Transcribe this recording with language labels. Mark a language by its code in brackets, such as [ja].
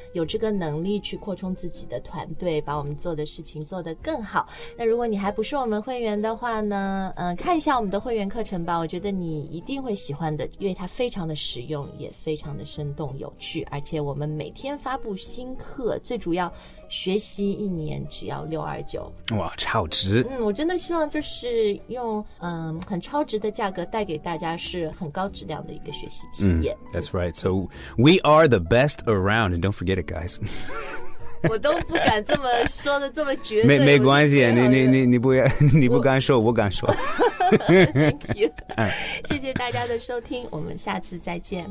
[zh] 有这个能力去扩充自己的团队把我们做的事情做得更好那如果你还不是我们会员的话呢看一下我们的会员课程吧我觉得你一定会喜欢的因为它非常的实用也非常的生动有趣而且我们每天发布新课最主要学习一年只要629 哇超值我真的希望就是用很超值的价格带给大家是很高质量的一个学习体验、 [en] That's right So we are the best around And don't forget it guys [zh] 我都不敢这么说的这么绝对没关系你不敢说我敢说 [en] Thank you [zh] 谢谢大家的收听我们下次再见